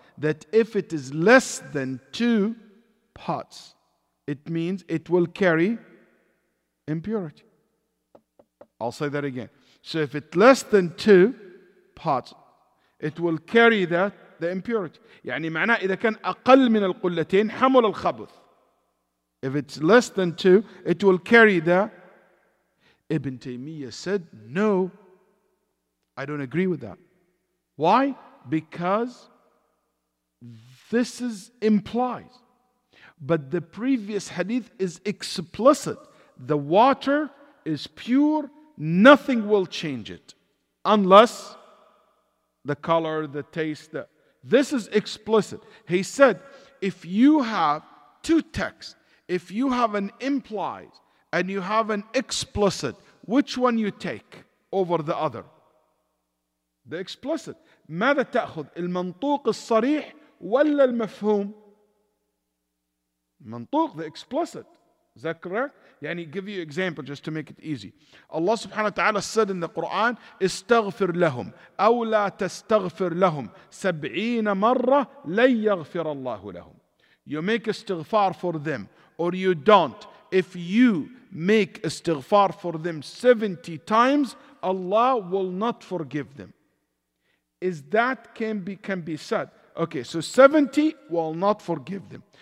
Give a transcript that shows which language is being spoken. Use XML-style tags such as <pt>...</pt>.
<en>That if it is less than two pots, it means it will carry impurity. I'll say that again. So if it's less than two pots, it will carry that the impurity.</en> <ar>يعني معناه إذا كان أقل من القلتين حمل الخبث.</ar> <en>If it's less than two, it will carry the. Ibn Taymiyyah said, no, I don't agree with that. Why? Because this is implies. But the previous hadith is explicit. The water is pure. Nothing will change it. Unless the color, the taste. This is explicit. He said, if you have two texts, if you have an implies and you have an explicit, which one you take over the other? The explicit.</en> <ar>ماذا تأخذ؟ المنطوق الصريح ولا المفهوم؟ المنطوق,</ar> <en>the explicit. Is that correct? يعني give you example just to make it easy. Allah subhanahu wa ta'ala said in the Quran,</en> <ar>استغفر لهم أو لا تستغفر لهم سبعين مرة لن يغفر الله لهم.</ar> <en>You make استغفار for them or you don't. If you make istighfar for them 70 times, Allah will not forgive them. Is that can be said? Okay, so 70 will not forgive them.</en>